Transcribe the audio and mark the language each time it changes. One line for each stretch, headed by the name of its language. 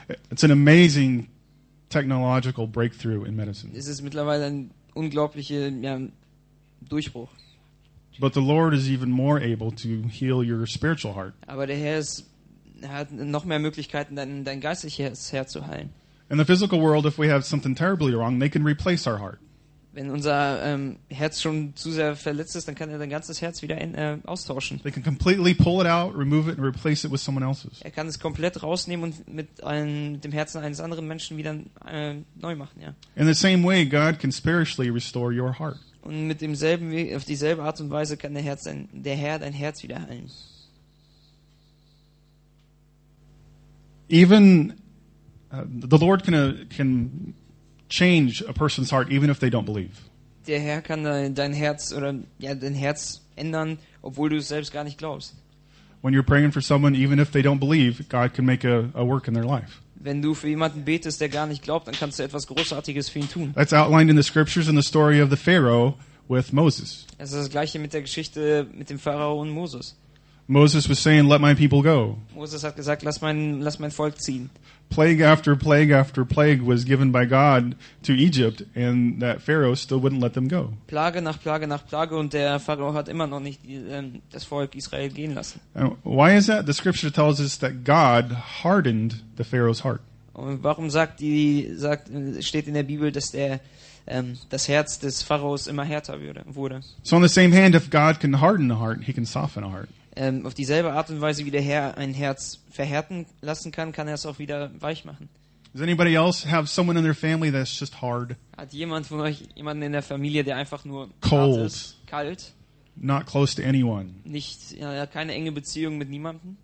English: It's an amazing technological breakthrough in medicine.
German: Es ist mittlerweile ein unglaublicher Durchbruch.
English: But the Lord is even more able to heal your spiritual heart.
German: Aber der Herr hat noch mehr Möglichkeiten, dein geistliches Herz zu heilen.
English: In the physical world, if we have something terribly wrong, they can replace our heart.
German: Wenn unser Herz schon zu sehr verletzt ist, dann kann er dein ganzes Herz wieder austauschen.
English: They can completely pull it out, remove it and replace it with someone else's.
German: Er kann es komplett rausnehmen und mit dem Herzen eines anderen Menschen wieder neu machen,
English: In the same way God can spiritually restore your heart.
German: Und mit demselben auf dieselbe Art und Weise kann der Herr dein Herz wieder heilen.
English: Even the Lord can change a person's heart even if they don't believe.
German: Der Herr kann dein Herz ändern, obwohl du es selbst gar nicht glaubst.
English: When you're praying for someone even if they don't believe, God can make a work in their life.
German: Wenn du für jemanden betest, der gar nicht glaubt, dann kannst du etwas Großartiges für ihn tun.
English: That's outlined in the scriptures in the story of the Pharaoh with Moses.
German: Es ist das gleiche mit der Geschichte mit dem Pharao und Moses.
English: Moses was saying, let my people go.
German: Moses hat gesagt, lass mein Volk ziehen.
English: Plague after plague after plague was given by God to Egypt, and that Pharaoh still wouldn't let them go.
German: Plage nach Plage nach Plage, und der Pharao hat immer noch nicht das Volk Israel gehen lassen.
English: Why is that? The scripture tells us that God hardened the Pharaoh's heart.
German: Und warum steht in der Bibel, dass der das Herz des Pharaos immer härter wurde.
English: So on the same hand, if God can harden a heart, he can soften a heart.
German: Auf dieselbe Art und Weise, wie der Herr ein Herz verhärten lassen kann, kann er es auch wieder weich machen.
English: Does anybody else have someone in their family that's just hard?
German: Hat jemand von euch jemanden in der Familie, der einfach nur
English: cold,
German: hart ist, kalt?
English: Not close to anyone.
German: Nicht, ja, keine enge Beziehung mit niemandem.